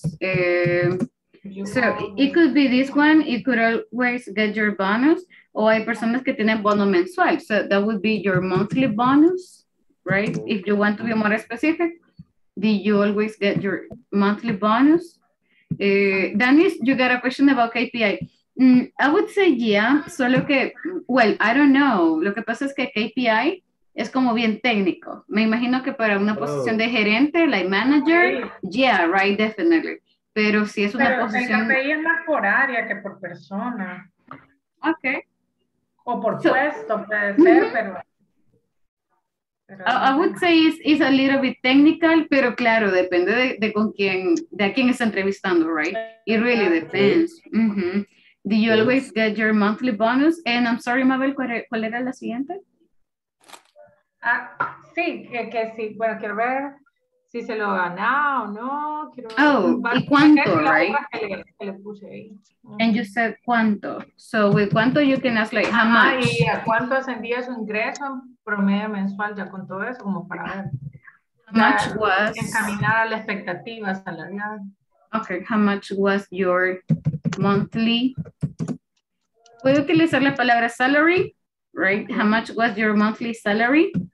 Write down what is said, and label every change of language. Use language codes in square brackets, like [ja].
[en] So it could be this one, you could always get your bonus, [es] o hay personas que tienen bono mensual, [en] so that would be your monthly bonus, right? If you want to be more specific, did you always get your monthly bonus? Dennis, you got a question about KPI. I would say yeah, [es] solo que, [en] well, I don't know. [es] Lo que pasa es que KPI es como bien técnico. Me imagino que para una posición de gerente, [en] like manager, yeah, right, definitely. [es] Pero si es una posición... Pero el KPI es más por área que por persona. Ok. O por puesto, puede ser, pero... [en] I would say it's a little bit technical, [es] pero claro, depende de con quién, de a quién está entrevistando, right? [en] It really depends. Mm-hmm. Do you always get your monthly bonus? And I'm sorry, Mabel, [es] ¿cuál era la siguiente? Sí, que sí. Bueno, quiero ver si se lo gana o no. [en] Oh, [es] ¿y cuánto, [en] right? And you said cuánto. So with cuánto you can ask like how much. [es] ¿Y a cuánto ascendía su ingreso promedio mensual ya con todo eso como para ver? [en] Much was [es] encaminar a la expectativa salarial. [en] Okay, how much was your monthly? [es] Puedo utilizar la palabra salary, [en] right? How much was your monthly salary?